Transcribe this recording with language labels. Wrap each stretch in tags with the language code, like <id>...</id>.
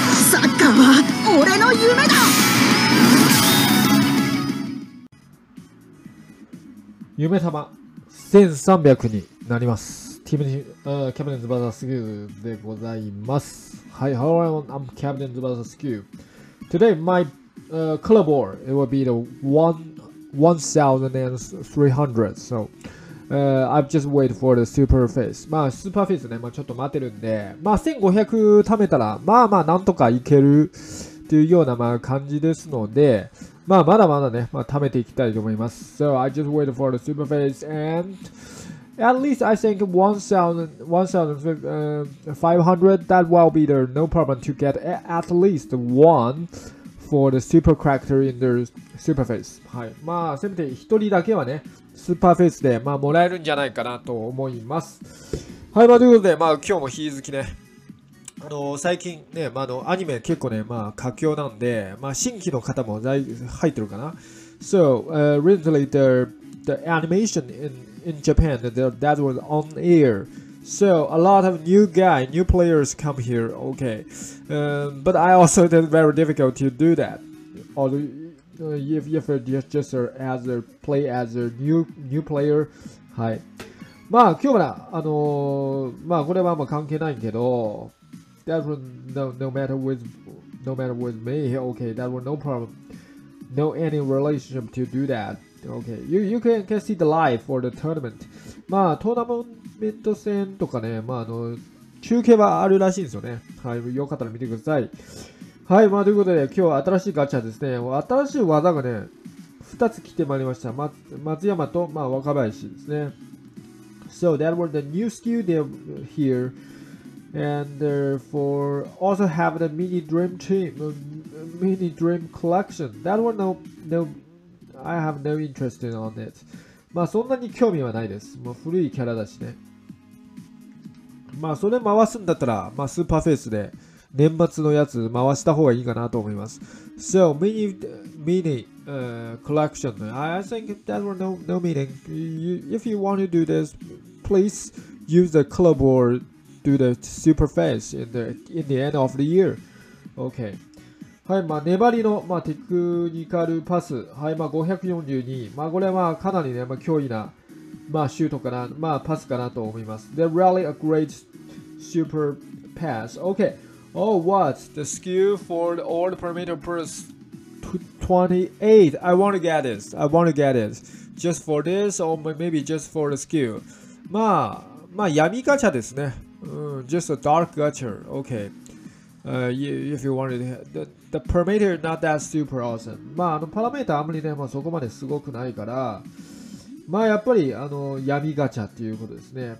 <ja>サッカーは俺の夢だ。夢様1300になります。キャプテンズバザースキューでございます。はい、</ja> <en>Hello everyone, I'm Captain Tsubasa Skew. Today, my color board, it will be the 1300. So, I've just waited for the super phase.</en> <ja>まあ、スーパーフェースね、まあ、ちょっと待ってるんで、まあ、1500貯めたら、まあまあ、なんとかいけるっていうような、まあ、感じですので、まあ、まだまだね、まあ、貯めていきたいと思います。</ja> <en>So, I just waited for the super phase and... At least I think 1,500, that will be there, no problem to get at least one for the super character in the super face.</en> <ja>はい。まあ、せめて一人だけはね、スーパーフェイスで、まあ、もらえるんじゃないかなと思います。はい、まあ、ということで、まあ、今日も日付ね。最近ね、まあ、アニメ結構ね、まあ、佳境なんで、まあ、新規の方も入ってるかな。</ja> <en>So, recently the animation in Japan that was on air, so a lot of new players come here. Okay, but I also did very difficult to do that. Although if you're just as a play as a new player, hi.</en> <ja>まあ今日はまあこれはもう関係ないけど</ja> <en>that was no matter with me. Okay, that was no problem. No any relationship to do that. Okay, you can see the live for the tournament.</en> <ja>まあ、トーナメント戦とかね、まあ、中継はあるらしいんですよね。はい、よかったら見てください。はい、まあ、ということで、今日は新しいガチャですね。新しい技がね、2つ来てまいりました。松山と、まあ、若林ですね。</ja> <en>So, that was the new skill there here. And therefore, also have the mini dream team, mini dream collection. That was no. I have no interest in on it.</en> <ja>まあそんなに興味はないです。まあ、古いキャラだしね。まあそれ回すんだったら、まあ、スーパーフェイスで年末のやつ回した方がいいかなと思います。</ja> <en>So, mini collection. I think that were no meaning. If you want to do this, please use the color board to the super phase in the end of the year. Okay.</en> <ja>はい、まあ、粘りの、まあ、テクニカルパス。はい、まあ、542。まあ、これは、かなりね、まあ、脅威な、まあ、シュートかな、まあ、パスかなと思います。</ja> <en>They're really a great super pass. Okay. Oh, what? The skill for the old perimeter press 28. I want to get this. Just for this, or maybe just for the skill.</en> <ja>まあ、まあ、闇ガチャですね。</ja> <en>Just a dark gacha. Okay. If you wanted the parameter not that super awesome.</en> <ja>まあパラメータあんまりね、まあ、そこまですごくないからまあやっぱり闇ガチャっていうことですね。</ja>